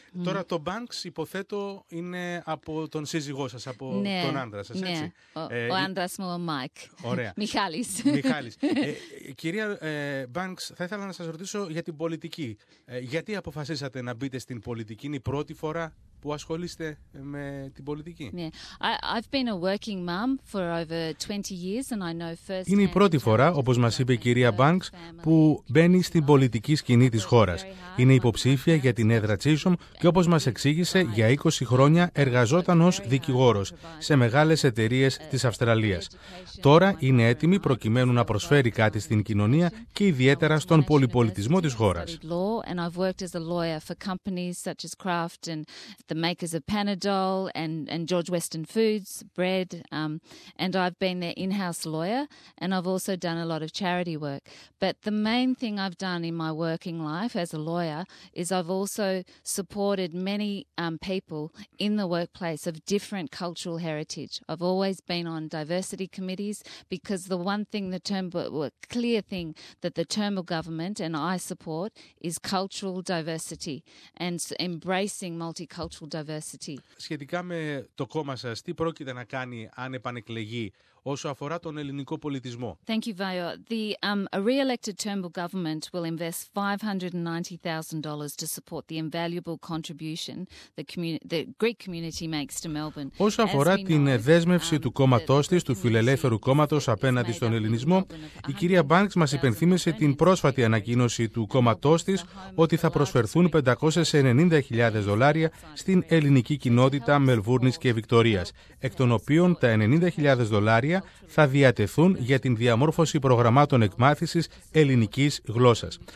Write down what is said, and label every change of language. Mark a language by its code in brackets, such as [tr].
[el] Τώρα το Banks υποθέτω είναι από τον σύζυγό σας, από ναι, τον άντρα σας, ναι, έτσι. Ο άντρας μου, ο Μάικ. Ωραία. Μιχάλης. Μιχάλης. Κυρία Banks, θα ήθελα να σας ρωτήσω για την πολιτική. Γιατί αποφασίσατε να μπείτε στην πολιτική, είναι η πρώτη φορά που ασχολείστε με την πολιτική? [en] I've been a working mom for over 20 years and I know first. [el] Είναι η πρώτη φορά, όπως μας είπε η κυρία Banks, που μπαίνει στην πολιτική σκηνή της χώρας. Είναι υποψήφια για την έδρα Chisholm και όπως μας εξήγησε, για 20 χρόνια εργαζόταν ως δικηγόρος σε μεγάλες εταιρείες της Αυστραλίας. Τώρα είναι έτοιμη προκειμένου να προσφέρει κάτι στην κοινωνία και ιδιαίτερα στον πολυπολιτισμό της χώρας. [en] The makers of Panadol and George Weston Foods bread, and I've been their in-house lawyer, and I've also done a lot of charity work. But the main thing I've done in my working life as a lawyer is I've also supported many people in the workplace of different cultural heritage. I've always been on diversity committees because the one thing, the Turnbull government and I support is cultural diversity and embracing multicultural. [el] Σχετικά με το κόμμα σας, τι πρόκειται να κάνει αν επανεκλεγεί όσο αφορά τον ελληνικό πολιτισμό? [en] Thank you, Vio. The re-elected Turnbull government will invest $590,000 to support the invaluable contribution the Greek community makes to Melbourne. [el] Όσο αφορά την δέσμευση του κόμματός της, του φιλελεύθερου κόμματος απέναντι στον ελληνισμό, η κυρία Banks μας υπενθύμισε την πρόσφατη ανακοίνωση του κόμματός της ότι θα προσφερθούν $590,000 στην ελληνική κοινότητα Μελβούρνης και Βικτορίας, εκ των οποίων τα $90,000 θα διατεθούν για την διαμόρφωση προγραμμάτων εκμάθησης ελληνικής γλώσσας.